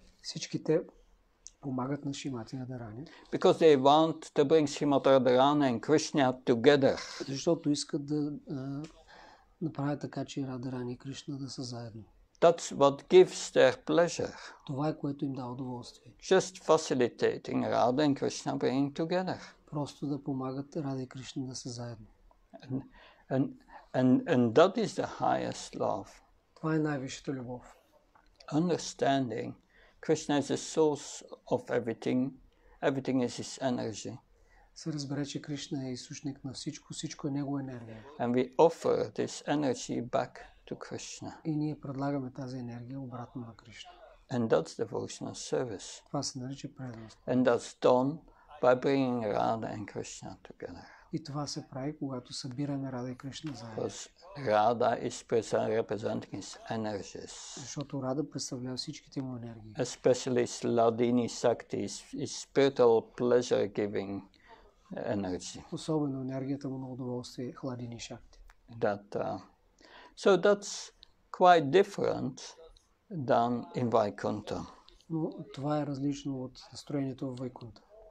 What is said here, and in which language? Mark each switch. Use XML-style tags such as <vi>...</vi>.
<bg>Всички те помагат на Шримати Радарани.</bg> <en>Because they want to bring Shrimati Radharani and Krishna together.</en> <bg>Защото искат да направят така, че Радарани и Кришна да са заедно.</bg> <en>That's what gives their pleasure.</en> <bg>Това е което им дава удоволствие.</bg> <en>Just facilitating Radha and Krishna being together.</en> <bg>Просто да помагат Рада и Кришна да са заедно.</bg> <en>And that is the highest love.</en> <bg>Това е най-висшата любов.</bg> <en>Understanding Krishna is the source of everything. Everything is his energy.</en> <bg>Се разбере, че Кришна е източник на всичко, всичко е негова енергия.</bg> <en>And we offer this energy back to Krishna.</en> <bg>И ние предлагаме тази енергия обратно на Кришна.</bg> <en>And that's devotional service.</en> <bg>Това се нарича преданост.</bg> <en>And that's done by bringing Radha and Krishna together.</en> <bg>И това се прави, когато събираме Рада и Кришна заедно.</bg> <en>Because Radha is representing his energies.</en> <bg>Защото Рада представлява всичките му енергии.</bg> <en>Especially Ladini Sakti is spiritual pleasure giving energy.</en> <bg>Особено енергията му на удоволствие, Хладини Шакти.</bg> <en>That, so that's quite different than in Vaikuntha.</en> <bg>Но това е различно от настроението в Вайкунта.</bg>